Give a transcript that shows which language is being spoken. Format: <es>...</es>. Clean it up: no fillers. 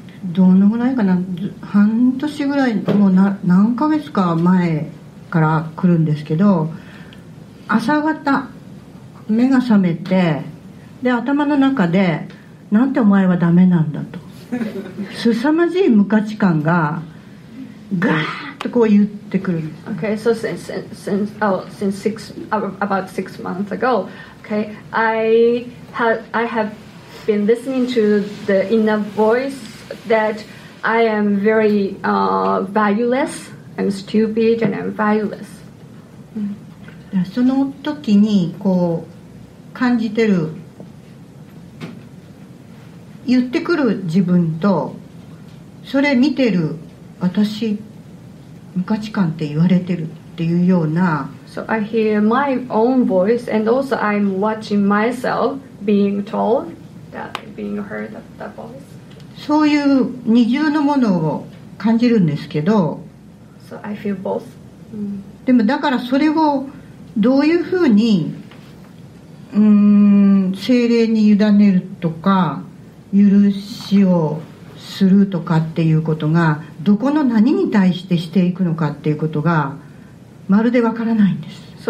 <ja>どのぐらいかな、半年ぐらい、もう何ヶ月か前から来るんですけど、朝方目が覚めて、で頭の中でなんてお前はダメなんだと。凄まじい無価値感がガーッとこう言ってくる。</ja> <en>Okay, so about 6 months ago, okay, I have been listening to the inner voice that I am very valueless, I'm stupid and I'm valueless.</en> <ja>その時にこう感じてる言ってくる自分とそれ見てる私無価値観って言われてるっていうような、</ja> <en>So I hear my own voice and also I'm watching myself being told that being heard of that voice.</en> <ja>そういう二重のものを感じるんですけど、</ja> <en>So I feel both.</en> <ja>でもだからそれをどういうふうに精霊に委ねるとか許しをするとかっていうことがどこの何に対してしていくのかっていうことがまるでわからないんです。</ja>